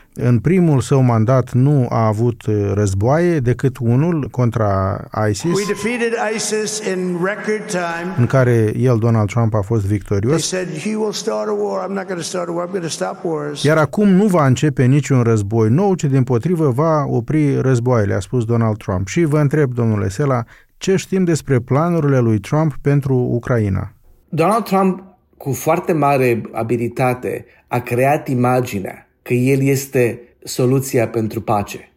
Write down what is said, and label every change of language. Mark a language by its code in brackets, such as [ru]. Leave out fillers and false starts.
[ro] în primul său mandat nu a avut războaie decât unul contra ISIS. [en] We defeated ISIS in record time. [ro] În care el, Donald Trump, a fost victorios. [en] They said he will start a war. I'm not going to start a war. I'm going to stop wars. [ro] Iar acum nu va începe niciun război nou, ci dimpotrivă va opri războaiele, a spus Donald Trump. Și vă întreb, domnule Sela, ce știm despre planurile lui Trump pentru Ucraina? Donald Trump, cu foarte mare abilitate, a creat imaginea că el este soluția pentru pace.